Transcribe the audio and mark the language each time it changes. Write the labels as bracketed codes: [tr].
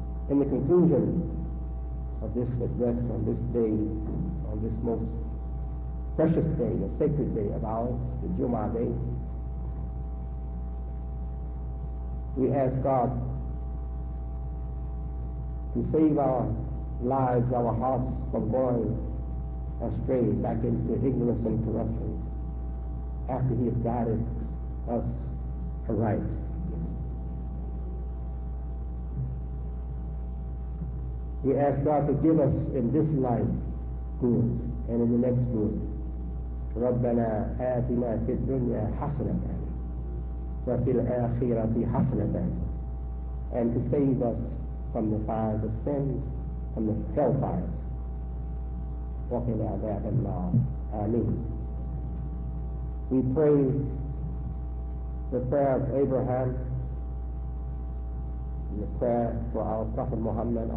[en] In the conclusion of this address on this day, on this most precious day, the sacred day of ours, the Jumu'ah day, we ask God to save our lives, our hearts from going astray back into ignorance and corruption after He has guided us aright. We ask God to give us in this life good and in the next good. [ar] ربنا آتنا في الدنيا حسنة وفي الآخرة حسنة. [en] And to save us from the fires of sin, from the hell fires. [ar] وقنا عذاب النار. [en] Amen. We pray the prayer of Abraham and the prayer for our Prophet Muhammad.